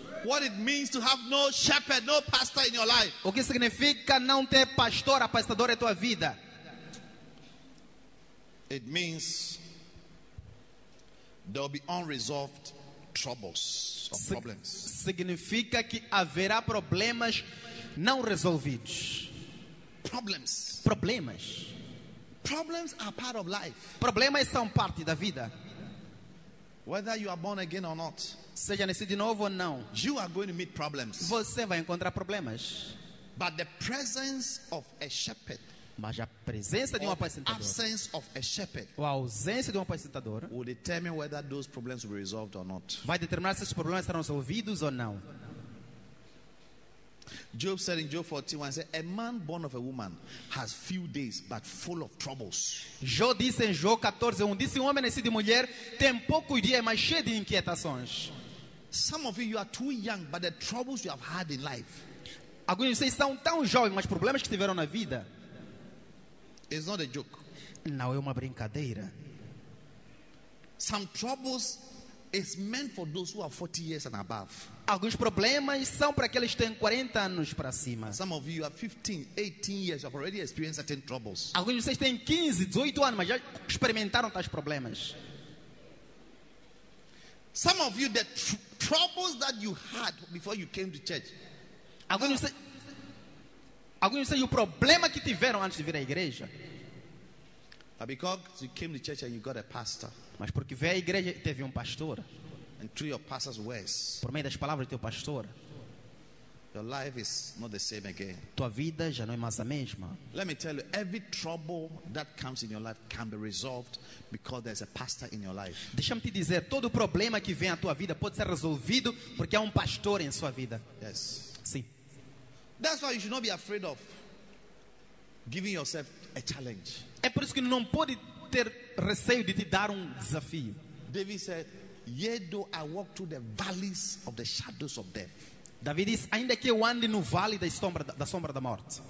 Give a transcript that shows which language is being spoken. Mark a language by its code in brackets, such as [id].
[en] What it means to have no shepherd, no pastor in your life. [pt] O que significa não ter pastor, apastador em tua vida? [en] It means there will be unresolved troubles or problems. [pt] Significa que haverá problemas não resolvidos. [en] Problems. [pt] Problemas. [en] Problems are part of life. [pt] Problemas são parte da vida. [en] Whether you are born again or not. [pt] Seja nascido de novo ou não. [en] You are going to meet problems. [pt] Você vai encontrar problemas. [en] But the presence of a shepherd. [pt] Mas a presença de um apacentador, [en] absence of a shepherd, [pt] ou a ausência de um apacentador, [en] will determine whether those problems will be resolved or not. [pt] Vai determinar se os problemas serão resolvidos ou não. [en] Job said in Job 14:1, said, "A man born of a woman has few days, but full of troubles." [pt] Job disse em Job 14:1, disse um homem nascido de mulher tem pouco dia, mas cheio de inquietações. [en] Some of you are too young, but the troubles you have had in life. [pt] Alguns de vocês são tão jovens, mas problemas que tiveram na vida. [en] It's not a joke. [pt] Não é uma brincadeira. [en] Some troubles is meant for those who are 40 years and above. [pt] Alguns problemas são para aqueles que têm 40 anos para cima. [en] Some of you are 15, 18 years, you have already experienced certain troubles. [pt] Alguns de vocês têm 15, 18 anos, mas já experimentaram tais problemas. [en] Some of you, the troubles that you had before you came to church. [pt] Alguns de vocês... Alguns dizem o problema que tiveram antes de vir à igreja. [en] But because you came to church and you got a pastor. [pt] Mas porque veio à igreja e teve um pastor. [en] And through your pastor's words. [pt] Por meio das palavras do teu pastor. [en] Your life is not the same again. [pt] Tua vida já não é mais a mesma. [en] Let me tell you, every trouble that comes in your life can be resolved because there's a pastor in your life. [pt] Deixa-me te dizer, todo problema que vem à tua vida pode ser resolvido porque há um pastor em sua vida. [en] Yes. [pt] Sim. [en] That's why you should not be afraid of giving yourself a challenge. [pt] É por isso que não pode ter receio de te dar desafio. [en] David said, "Yet though I walk through the valleys of the shadows of death." [pt] Davi diz, ainda que eu ande no vale da sombra da morte,